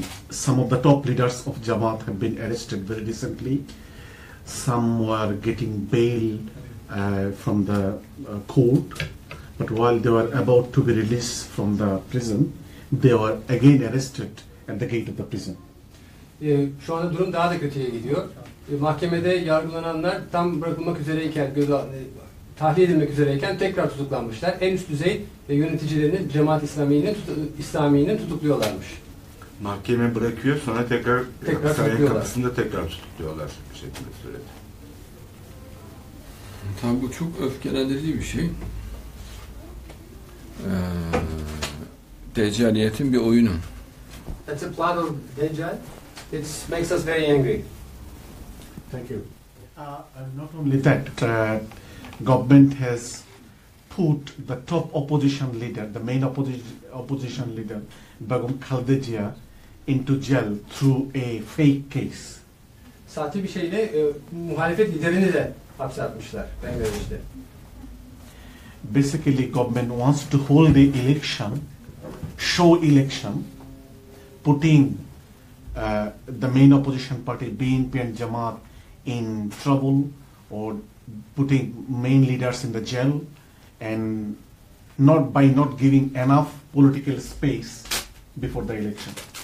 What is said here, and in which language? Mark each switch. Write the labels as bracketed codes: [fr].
[en] Some of the top leaders of Jamaat have been arrested very recently. Some were getting bail from the court. But while they were about to be released from the prison, they were again arrested at the gate of the prison. [tr] Şu anda durum daha da kötüye gidiyor. Mahkemede yargılananlar tam bırakılmak üzereyken, tahliye edilmek üzereyken tekrar tutuklanmışlar. En üst düzey yöneticilerini, Cemaat İslami'nin tutukluyorlarmış. Mahkeme bırakıyor, sonra tekrar sarayın kapısında tekrar tutukluyorlar. Bir şekilde söyledi. Tam bu çok öfkelendirici bir şey. Deccaliyetin bir oyunu. [en] That's a plot of Deccal. It makes us very angry. Thank you. Not only that, government has put the top opposition leader, the main opposition leader, Begum Khaldejia, into jail through a fake case. [tr] Sahte bir şeyle muhalefet liderini de hapse atmışlar. Bangladeş'te. [en] Basically, government wants to hold the election, show election, putting the main opposition party, BNP and Jamaat, in trouble, or putting main leaders in the jail, and not by not giving enough political space before the election.